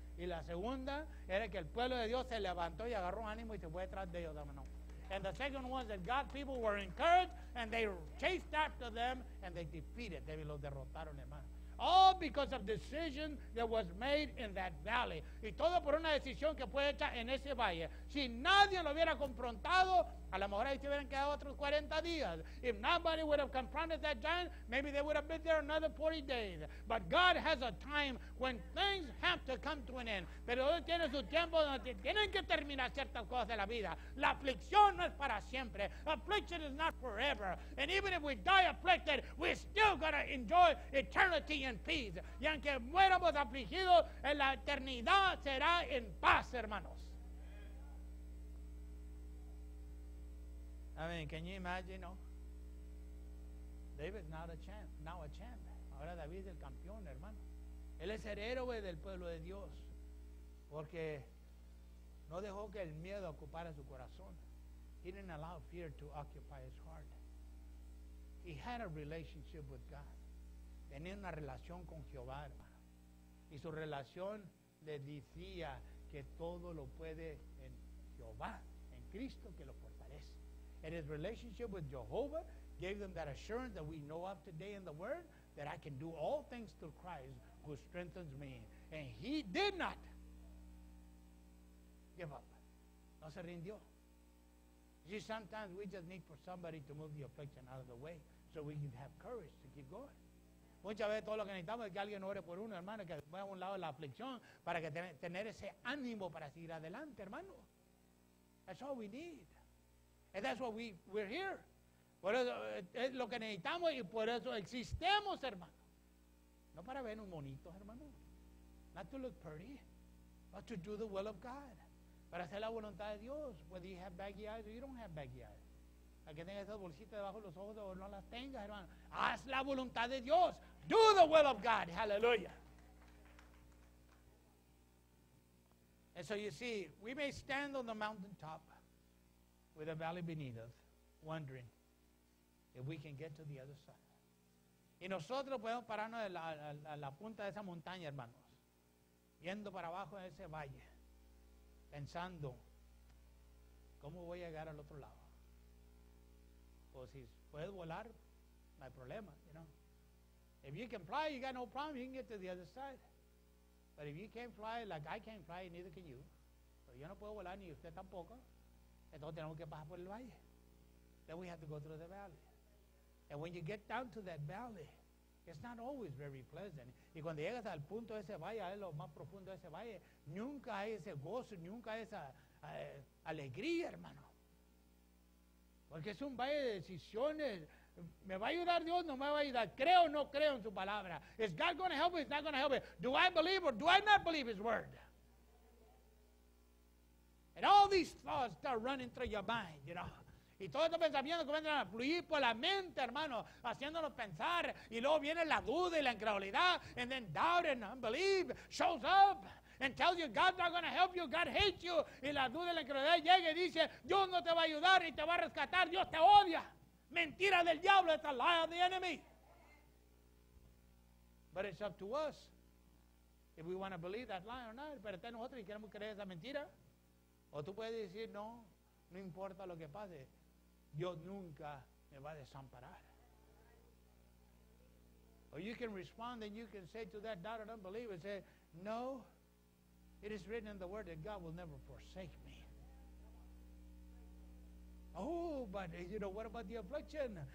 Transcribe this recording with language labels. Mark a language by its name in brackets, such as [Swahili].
[Spanish] Y la segunda era que el pueblo de Dios se levantó y agarró ánimo y se fue detrás de ellos, hermano. [English] And the second was that God's people were encouraged and they chased after them and they defeated. [Spanish] David los derrotaron, hermano. [English] All because of decision that was made in that valley. [Spanish] Y todo por una decisión que fue hecha en ese valle. Si nadie lo hubiera confrontado, a lo mejor ahí se hubieran quedado otros 40 días. [English] If nobody would have confronted that giant, maybe they would have been there another 40 days. But God has a time when things have to come to an end. [Spanish] Pero Dios tiene su tiempo donde tienen que terminar ciertas cosas de la vida. La aflicción no es para siempre. [English] Affliction is not forever. And even if we die afflicted, we're still going to enjoy eternity in peace. [Spanish] Y aunque muéramos afligidos, en la eternidad será en paz, hermanos. [English] I mean, can you imagine, no? David's not a champ, now a champ. [Spanish] Ahora David es el campeón, hermano. Él es el héroe del pueblo de Dios. Porque no dejó que el miedo ocupara su corazón. [English] He didn't allow fear to occupy his heart. He had a relationship with God. [Spanish] Tenía una relación con Jehová, hermano. Y su relación le decía que todo lo puede en Jehová, en Cristo que lo fortalece. [English] And his relationship with Jehovah gave them that assurance that we know of today in the Word, that I can do all things through Christ who strengthens me. And he did not give up. [Spanish] No se rindió. [English] You see, sometimes we just need for somebody to move the affliction out of the way so we can have courage to keep going. [Spanish] Muchas veces todo lo que necesitamos es que alguien ore por uno, hermano, que mueva a un lado la aflicción para que tener ese ánimo para seguir adelante, hermano. [English] That's all we need. And that's what we're here. [Spanish] Por eso es lo que necesitamos y por eso existemos, hermano. No para ver un monito, hermano. [English] Not to look pretty, but to do the will of God. [Spanish] Para hacer la voluntad de Dios. [English] Whether you have baggy eyes or you don't have baggy eyes. [Spanish] A que tengas esas bolsitas debajo de los ojos o no las tengas, hermano. Haz la voluntad de Dios. [English] Do the will of God. Hallelujah. And so you see, we may stand on the mountaintop with a valley beneath us, wondering if we can get to the other side. [Spanish] Y nosotros podemos pararnos en la punta de esa montaña, hermanos, viendo para abajo en ese valle, pensando, ¿cómo voy a llegar al otro lado? O si puedes volar, no hay problema, [English] you know. If you can fly, you got no problem, you can get to the other side. But if you can't fly, like I can't fly, neither can you. [Spanish] Pero yo no puedo volar, ni usted tampoco. Entonces tenemos que pasar por el valle. [English] Then we have to go through the valley. And when you get down to that valley, it's not always very pleasant. [Spanish] Y cuando llegas al punto de ese valle, a lo más profundo de ese valle, nunca hay ese gozo, nunca hay esa alegría, hermano. Porque es un valle de decisiones. ¿Me va a ayudar Dios? ¿No me va a ayudar? ¿Creo o no creo en su palabra? [English] ¿Is God going to help me? ¿Is not going to help me? ¿Do I believe or do I not believe his word? And all these thoughts start running through your mind, you know. [Spanish] Y todos estos pensamientos comienzan a fluir por la mente, hermano, haciéndonos pensar. Y luego viene la duda y la incredulidad. [English] And then doubt and unbelief shows up and tells you God's not going to help you. God hates you. [Spanish] Y la duda y la incredulidad llega y dice, Dios no te va a ayudar ni te va a rescatar. Dios te odia. Mentira del diablo. [English] It's a lie of the enemy. But it's up to us if we want to believe that lie or not. [Spanish] Pero está en nosotros y queremos creer esa mentira. O tú puedes decir, no, no importa lo que pase. Dios nunca me va a desamparar. [English] Or you can respond and you can say to that doubt and unbeliever, say, no, it is written in the word that God will never forsake me. Oh, but you know, what about the affliction?